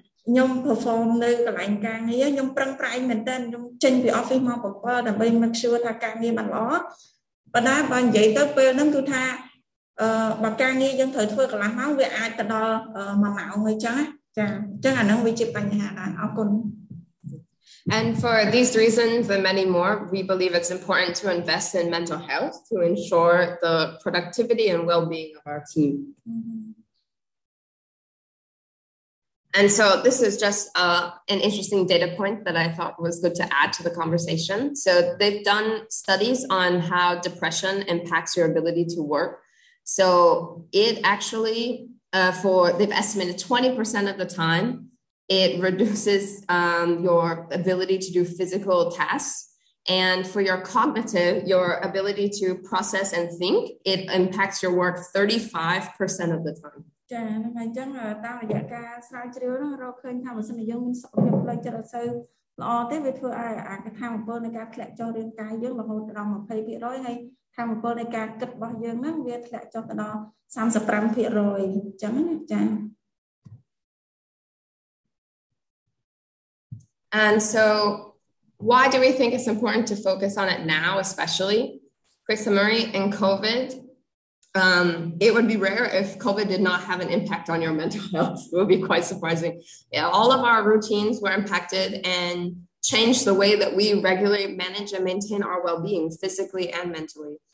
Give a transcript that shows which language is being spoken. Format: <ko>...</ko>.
<km>ខ្ញុំ perform នៅកន្លែងការងារខ្ញុំប្រឹងប្រែងមែនទែនខ្ញុំចេញពី office មក7ដើម្បី</km> <en>make sure</en> <km>ថាការងារបានល្អប៉ុន្តែបើនិយាយទៅពេលហ្នឹងគឺថាបើការងារយើងត្រូវធ្វើកន្លះម៉ោងវាអាចទៅដល់មួយម៉ោងហើយចឹងចាអញ្ចឹងអាហ្នឹងវាជាបញ្ហាដែរអរគុណ</km> <en>And for these reasons and many more, we believe it's important to invest in mental health to ensure the productivity and well-being of our team. And so this is just an interesting data point that I thought was good to add to the conversation. So they've done studies on how depression impacts your ability to work. So it actually, they've estimated 20% of the time, it reduces your ability to do physical tasks. And for your cognitive, your ability to process and think, it impacts your work 35% of the time.</en> <km>ចា៎ហ្នឹងហើយអញ្ចឹងតាមរយៈការស្រាវជ្រាវហ្នឹងរកឃើញថាបើសិនជាយើងមានសុខភាពផ្លូវចិត្តអត់សូវល្អទេវាធ្វើឲ្យអាកថាមពលនៃការធ្លាក់ចុះរាងកាយយើងរហូតដល់ 20% ហើយថាមពលនៃការគិតរបស់យើងហ្នឹងវាធ្លាក់ចុះទៅដល់ 35% អញ្ចឹងណាចា៎</km> <en>And so why do we think it's important to focus on it now especially quick summary in COVID it would be rare if COVID did not have an impact on your mental health. It would be quite surprising. Yeah, all of our routines were impacted and changed the way that we regularly manage and maintain our well-being physically and mentally.</en>